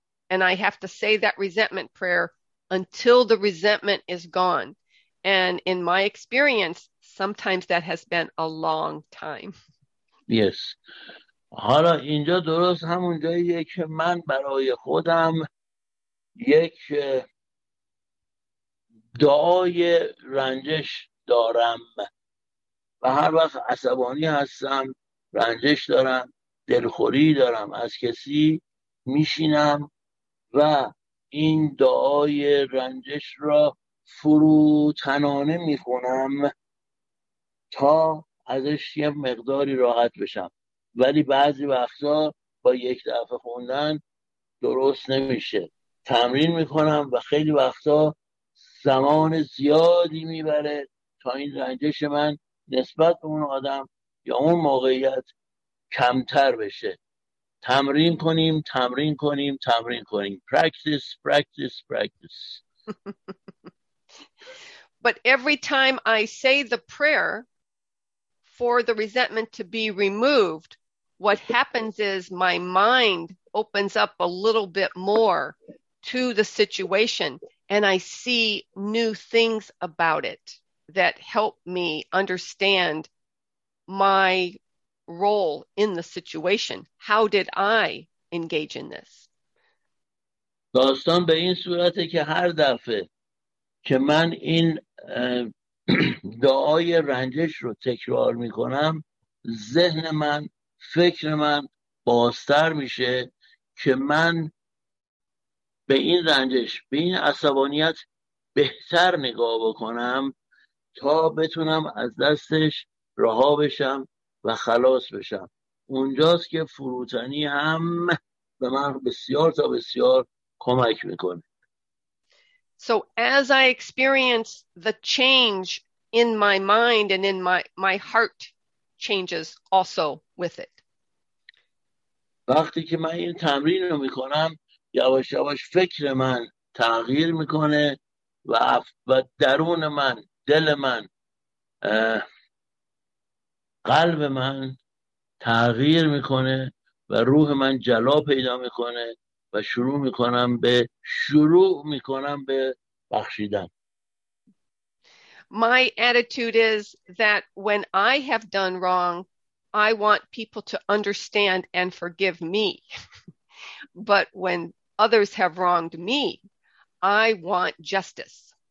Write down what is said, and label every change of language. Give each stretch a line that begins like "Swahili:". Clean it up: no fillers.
English: And I have to say that resentment prayer until the resentment is gone. And in my experience, sometimes that has been a long time. Yes.
Persian: حالا اینجا درست همون جاییه که من برای خودم یک دعای رنجش دارم و هر وقت عصبانی هستم، رنجش دارم، دلخوری دارم از کسی، میشینم و این دعای رنجش را فروتنانه میخونم تا ازش یه مقداری راحت بشم. ولی بعضی وقتا با یک دفعه خوندن درست نمیشه. تمرین میکنم و خیلی وقتا زمان زیادی میبره تا این رنجش من نسبت به اون آدم یا اون موقعیت کمتر بشه. تمرین کنیم، تمرین کنیم، تمرین کنیم.
English: Practice, practice, practice. But every time I say the prayer for the resentment to be removed, what happens is my mind opens up a little bit more to the situation, and I see new things about it that help me understand my role in the situation. How did I engage in this?
Persian: داستان به این صورته که هر دفعه که من این دعای رنجش رو تکرار میکنم، ذهن من، فکر من بازتر میشه که من به این رنجش، به این عصبانیت بهتر نگاه بکنم تا بتونم از دستش رها بشم و خلاص بشم. اونجاست که فروتنی هم به من بسیار تا بسیار کمک میکنه.
English: So as I experience the change in my mind and in my heart changes also with it.
Persian: وقتی که من این تمرین رو میکنم، یواش یواش فکر من تغییر میکنه و درون من، دل من، قلب من تغییر میکنه و روح من جلا پیدا میکنه و شروع میکنم به بخشیدن.
English: My attitude is that when I have done wrong, I want people to understand and forgive me. But when others have wronged me, I want justice.